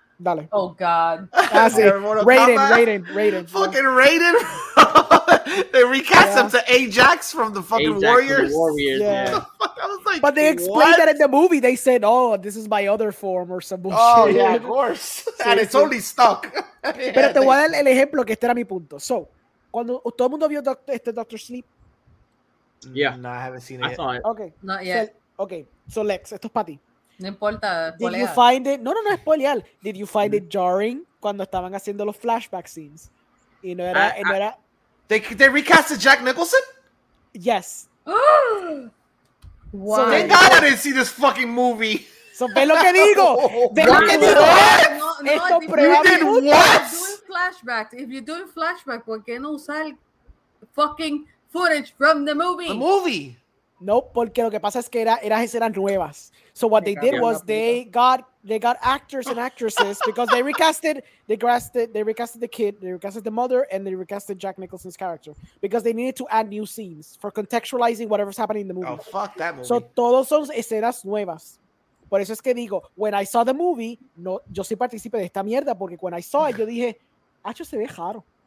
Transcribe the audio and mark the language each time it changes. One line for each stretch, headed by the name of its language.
Spanish: Dale.
English: Oh, God. That's it. Raiden. Fucking Raiden. They recast him to Ajax from the fucking Warriors. Yeah. I was like, but they explained that in the movie. They said, oh, this is my other form or some bullshit. Oh, yeah, of course. And it's only stuck.
Spanish: Pero te voy a dar el ejemplo que este era mi punto. So, cuando todo el mundo vio Doctor Sleep.
English: Yeah. No, I haven't seen it. I saw it. Okay. Not yet.
Spanish: Okay. So, Lex, esto es para ti. No importa.
English: Did you find it?
Spanish: No, es spoiler.
English: Did you find it jarring
Spanish: cuando estaban haciendo los
English: flashback scenes?
Spanish: Y no era...
English: They recasted Jack Nicholson? Yes. Why? So thank God I didn't see this fucking movie.
Spanish: So ve lo que digo.
English: You did what? If you're doing flashback,
Spanish: ¿por qué no usar
English: fucking footage from the movie? The movie.
Spanish: No, porque lo que pasa es que eran nuevas.
English: So what they did was they got actors and actresses because they recasted the mother, and they recasted Jack Nicholson's character because they needed to add new scenes for contextualizing whatever's happening in the movie. Oh, fuck that movie.
Spanish: So todos son escenas nuevas. Por eso es que digo,
English: when I saw the movie,
Spanish: no, yo sí participé de esta mierda porque
English: when I saw it,
Spanish: yo dije, acho, se ve raro.